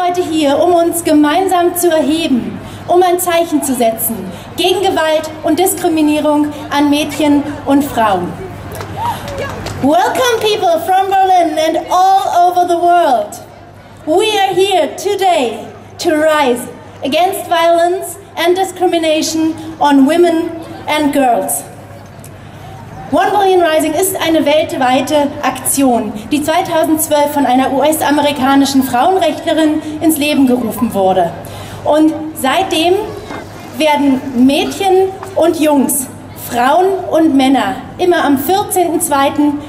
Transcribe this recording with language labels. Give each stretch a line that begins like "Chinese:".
German: hier, um uns gemeinsam zu erheben, um ein Zeichen zu setzen gegen Gewalt und Diskriminierung an Mädchen und Frauen.
English: Welcome, people from Berlin and all over the world. We are here today to rise against violence and discrimination on women and girls.
German: One Billion Rising ist eine weltweite Aktion, die 2012 von einer US-amerikanischen Frauenrechtlerin ins Leben gerufen wurde. Und seitdem werden Mädchen und Jungs, Frauen und Männer immer am 14.02.